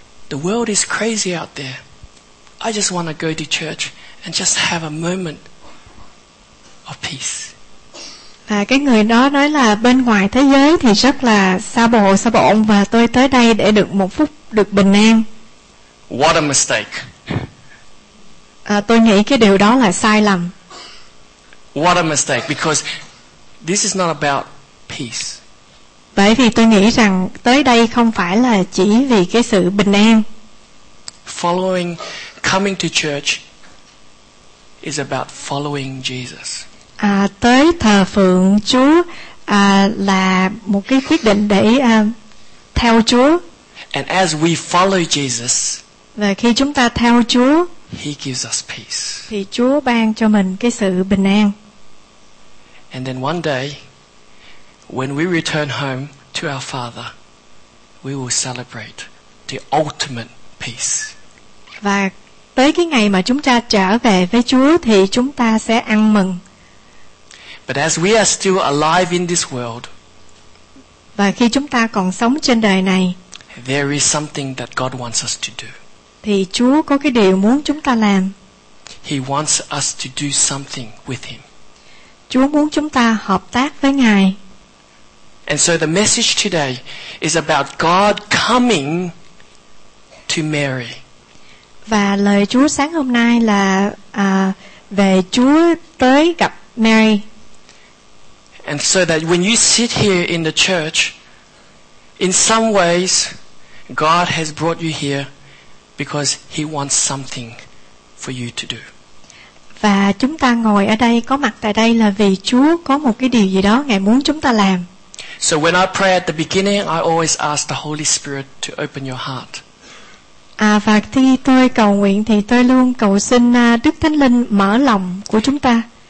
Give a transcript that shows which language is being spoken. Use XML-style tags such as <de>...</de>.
<en>The world is crazy out there. I just want to go to church and just have a moment of peace.</en> <vi>Và cái người đó nói là bên ngoài thế giới thì rất là xa bộn và tôi tới đây để được một phút được bình an.</vi> <en>What a mistake.</en> <vi>Tôi nghĩ cái điều đó là sai lầm.</vi> <en>What a mistake, because this is not about peace.</en> <vi>Bởi vì tôi nghĩ rằng tới đây không phải là chỉ vì cái sự bình an.</vi> <en>Following, coming to church is about following Jesus.</en> <vi>Tới thờ phượng Chúa là một cái quyết định để theo Chúa.</vi> <en>And as we follow Jesus,</en> <vi>và khi chúng ta theo Chúa,</vi> <en>he gives us peace.</en> <vi>Thì Chúa ban cho mình cái sự bình an.</vi> <en>And then one day, when we return home to our Father, we will celebrate the ultimate peace.</en> <vi>Và tới cái ngày mà chúng ta trở về với Chúa thì chúng ta sẽ ăn mừng.</vi> <en>But as we are still alive in this world,</en> <vi>và khi chúng ta còn sống trên đời này,</vi> <en>there is something that God wants us to do.</en> <vi>Thì Chúa có cái điều muốn chúng ta làm.</vi> <en>He wants us to do something with him.</en> <vi>Chúa muốn chúng ta hợp tác với Ngài.</vi> <en>And so the message today is about God coming to Mary.</en> <vi>Và lời Chúa sáng hôm nay là về Chúa tới gặp Mary.</vi> <en>And so that when you sit here in the church, in some ways, God has brought you here because He wants something for you to do.</en> <vi>Và chúng ta ngồi ở đây, có mặt tại đây là vì Chúa có một cái điều gì đó Ngài muốn chúng ta làm.</vi> <en>So when I pray at the beginning, I always ask the Holy Spirit to open your heart.</en> <vi>À, và khi tôi cầu nguyện thì tôi luôn cầu xin Đức Thánh Linh mở lòng của chúng ta.</vi>